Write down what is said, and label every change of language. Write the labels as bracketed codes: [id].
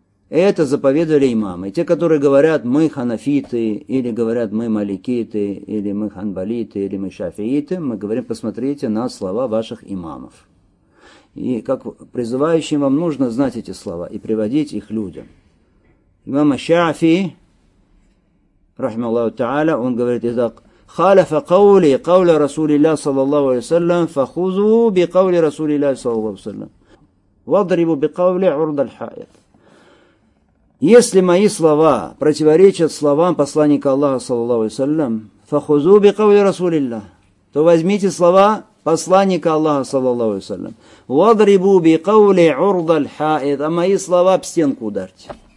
[ru] Это заповедовали имамы. Те, которые говорят, мы ханафиты, или говорят, мы маликиты, или мы ханбалиты, или мы шафииты, мы говорим, посмотрите на слова ваших имамов. И как призывающим вам нужно знать эти слова и приводить их людям. Имам Шафии, рахмаллаху та'аля, он говорит, итак, [ar] خالف قولي قول رسول الله صلى الله عليه وسلم فخذوا بقول رسول الله صلى الله عليه وسلم واضربوا بقول عرض الحائط. [ru] Если мои слова противоречат словам посланника Аллаха [ar] صلى الله عليه وسلم فخذوا بقول رسول الله, [ru] то возьмите слова посланника Аллаха [ar] صلى الله عليه وسلم واضربوا بقول عرض الحائط, [ru] а мои слова об стенку ударьте.